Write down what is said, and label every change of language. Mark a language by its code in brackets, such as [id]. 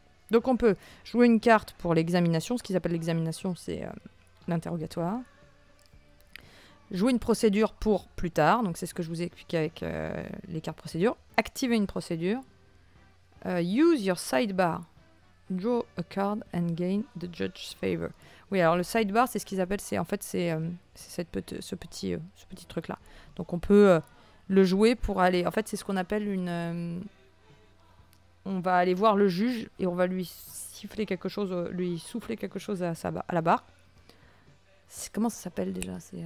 [fr] Donc on peut jouer une carte pour l'examination, ce qu'ils appellent l'examination, c'est l'interrogatoire. Jouer une procédure pour plus tard, donc c'est ce que je vous ai expliqué avec les cartes procédure. Activer une procédure. [en] Use your sidebar. Draw a card and gain the judge's favor. [fr] Oui, alors le sidebar, c'est ce qu'ils appellent, c'est ce petit truc-là. Donc on peut le jouer pour aller... En fait, c'est ce qu'on appelle une... On va aller voir le juge et on va lui souffler quelque chose à la barre. Comment ça s'appelle déjà?